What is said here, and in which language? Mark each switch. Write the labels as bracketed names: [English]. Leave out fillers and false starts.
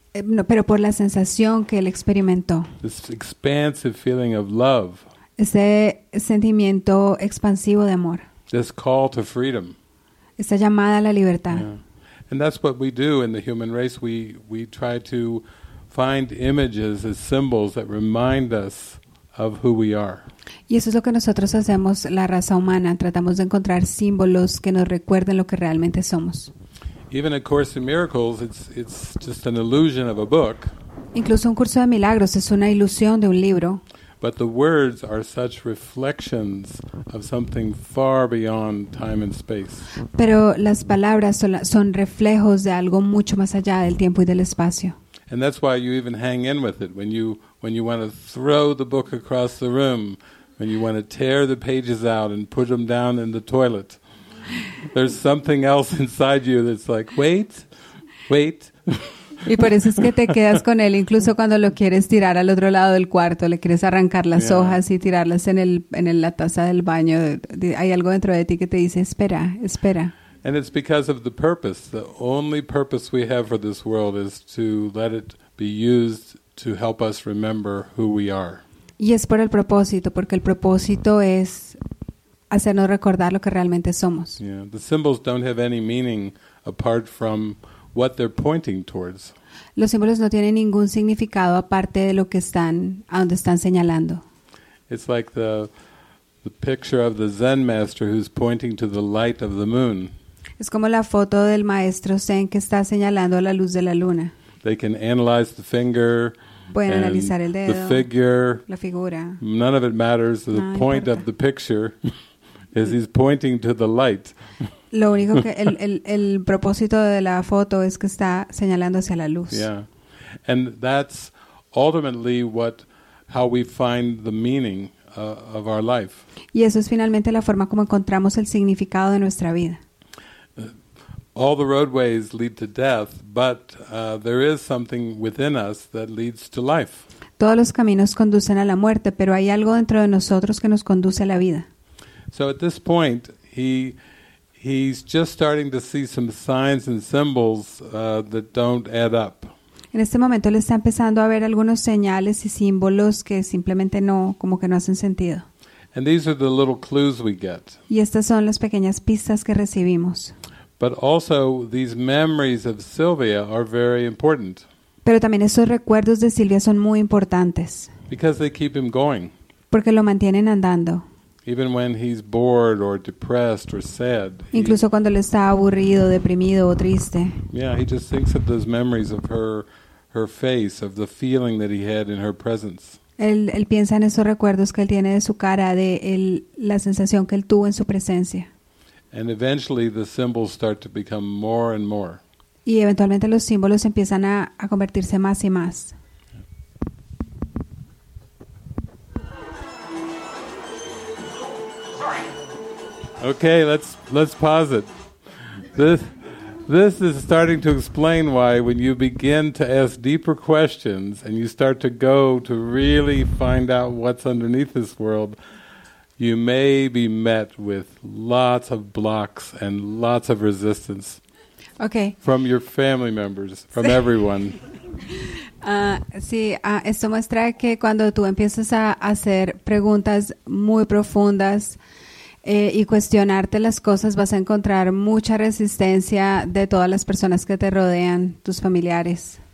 [Spanish] No, pero por la sensación que él experimentó. [English] This expansive feeling of love. [Spanish] Ese sentimiento expansivo de amor. [English] This call to freedom. [Spanish] Esa llamada a la libertad. Yeah. [English] And that's what we do in the human race. We try to find images as symbols that remind us of who we are. [Spanish] Y eso es lo que nosotros hacemos, la raza humana. Tratamos de encontrar símbolos que nos recuerden lo que realmente somos. [English] Even a Course in Miracles, it's just an illusion of a book. [Spanish] Incluso un curso de milagros es una ilusión de un libro. [English] But the words are such reflections of something far beyond time and space. [Spanish] Pero las palabras son reflejos de algo mucho más allá del tiempo y del espacio. [English] And that's why you even hang in with it when you want to throw the book across the room, when you want to tear the pages out and put them down in the toilet. There's something else inside you that's like, wait, wait. [Spanish] Y por eso es que te quedas con él incluso cuando lo quieres tirar al otro lado del cuarto, le quieres arrancar las hojas y tirarlas en la taza del baño. Hay algo dentro de ti que te dice, espera, espera. [English] And it's because of the purpose. The only purpose we have for this world is to let it be used to help us remember who we are. [Spanish] Y es por el propósito, porque el propósito es hacernos recordar lo que realmente somos. [English] Yeah, the symbols don't have any meaning apart from what they're pointing towards. [Spanish] Los símbolos no tienen ningún significado aparte de lo que están, a donde están señalando. [English] It's like the picture of the Zen master who's pointing to the light of the moon. [Spanish] Es como la foto del maestro Zen que está señalando la luz de la luna. [English] They can analyze the finger. [Spanish] Pueden analizar el dedo, [English] the figure, [Spanish] la figura. [English] None of it matters. The point of the picture is he's pointing to the light. [Spanish] Lo único que el propósito de la foto es que está señalando hacia la luz. [English] Yeah, and that's ultimately how we find the meaning of our life. [Spanish] Y eso es finalmente la forma como encontramos el significado de nuestra vida. [English] All the roadways lead to death, but there is something within us that leads to life. [Spanish] Todos los caminos conducen a la muerte, pero hay algo dentro de nosotros que nos conduce a la vida. [English] So at this point, he's just starting to see some signs and symbols that don't add up. [Spanish] En este momento le está empezando a ver algunos señales y símbolos que simplemente no, como que no hacen sentido. [English] And these are the little clues we get. [Spanish] Y estas son las pequeñas pistas que recibimos. [English] But also these memories of Sylvia are very important. [Spanish] Pero también esos recuerdos de Silvia son muy importantes. [English] Because they keep him going. [Spanish] Porque lo mantienen andando. [English] Even when he's bored or depressed or sad. [Spanish] Incluso cuando él está aburrido, deprimido o triste. [English] Yeah, he just thinks of those memories of her face, of the feeling that he had in her presence. [Spanish] Él piensa en esos recuerdos que él tiene de su cara, de la sensación que él tuvo en su presencia. [English] And eventually the symbols start to become more and more. [Spanish] Y eventualmente los símbolos empiezan a convertirse más y más. [English] Okay, let's pause it. This is starting to explain why when you begin to ask deeper questions and you start to go to really find out what's underneath this world, you may be met with lots of blocks and lots of resistance. Okay. From your family members, from everyone. [Spanish] Esto muestra que cuando tú empiezas a hacer preguntas muy profundas, y cuestionarte las cosas, vas a encontrar mucha resistencia de todas las personas que te rodean, tus familiares.